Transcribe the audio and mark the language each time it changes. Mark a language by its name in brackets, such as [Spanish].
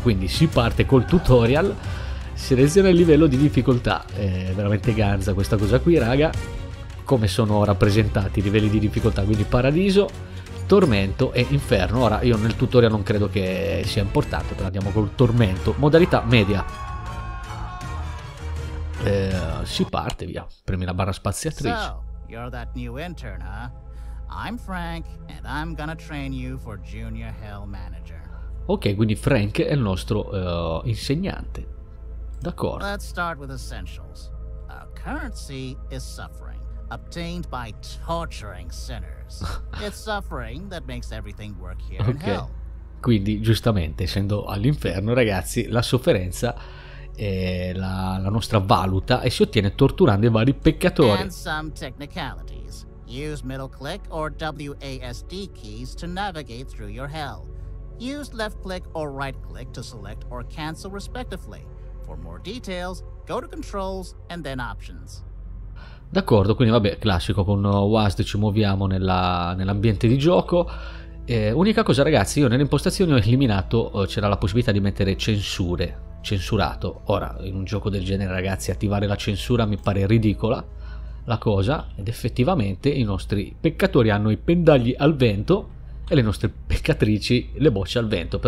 [Italian] Quindi si parte col tutorial. Seleziona il livello di difficoltà, è veramente ganza questa cosa qui, raga, come sono rappresentati i livelli di difficoltà, quindi paradiso, tormento e inferno. Ora io nel tutorial non credo che sia importante, però andiamo col tormento. Modalità media, si parte, via, premi la barra spaziatrice. [English] So, you're that new intern, huh? I'm Frank and I'm gonna train you for Junior Hell Manager. [Italian] Ok, quindi Frank è il nostro insegnante. D'accordo. [English] Let's start with essentials. A currency is suffering, obtained by torturing sinners. It's suffering that makes everything work here in hell. [Italian] Quindi, giustamente, essendo all'inferno, ragazzi, la sofferenza è la nostra valuta e si ottiene torturando i vari peccatori. [English] And some technicalities. Use middle click or WASD keys to navigate through your hell. Use left click or right click to select or cancel respectively. For more details, go to controls and then options. [Italian] D'accordo, quindi vabbè, classico, con WASD ci muoviamo nell'ambiente di gioco. Unica cosa, ragazzi, io nelle impostazioni ho eliminato, c'era la possibilità di mettere censure, censurato. Ora, in un gioco del genere, ragazzi, attivare la censura mi pare ridicola la cosa, ed effettivamente i nostri peccatori hanno i pendagli al vento e le nostre peccatrici le bocce al vento.